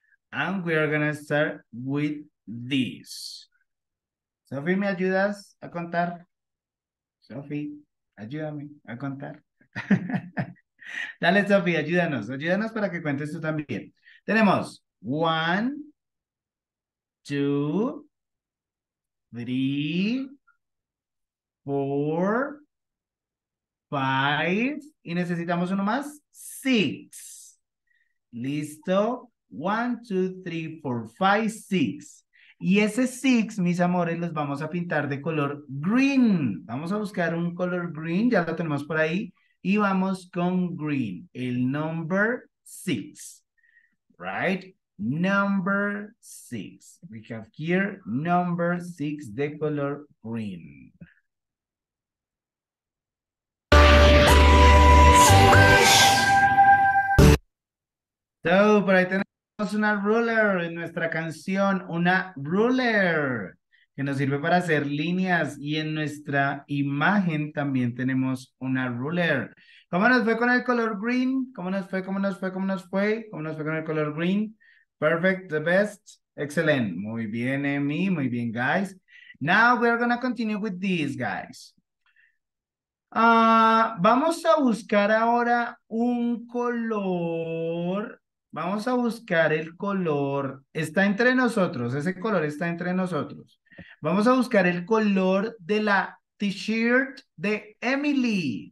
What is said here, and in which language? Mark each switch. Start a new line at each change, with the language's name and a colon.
English: And we are gonna start with this.
Spanish: Sophie, ¿me ayudas a contar? Sophie, ayúdame a contar. Dale, Sophie, ayúdanos. Ayúdanos para que cuentes tú también. Tenemos
English: one, two, three, four, five.
Spanish: ¿Y necesitamos uno más? Six. Listo.
English: One, two, three, four, five, six.
Spanish: Y ese six, mis amores, los vamos a pintar de color green. Vamos a buscar un color green, ya lo tenemos por ahí. Y vamos con green, el
English: number six. Right? Number six. We have here number six
Spanish: de color
English: green.
Spanish: So, por ahí tenemos una ruler en nuestra canción, una ruler que nos sirve para hacer líneas y en nuestra imagen también tenemos una ruler. ¿Cómo nos fue con el color green? ¿Cómo nos fue? ¿Cómo nos fue? ¿Cómo nos fue? ¿Cómo nos fue con el color green?
English: Perfect, the best,
Spanish: excelente. Muy bien, Emi, muy bien, guys.
English: Now we're gonna continue with these guys.
Spanish: Vamos a buscar ahora un color. Vamos a buscar el color. Está entre nosotros. Ese color está entre nosotros. Vamos a buscar el color de la t-shirt de Emily.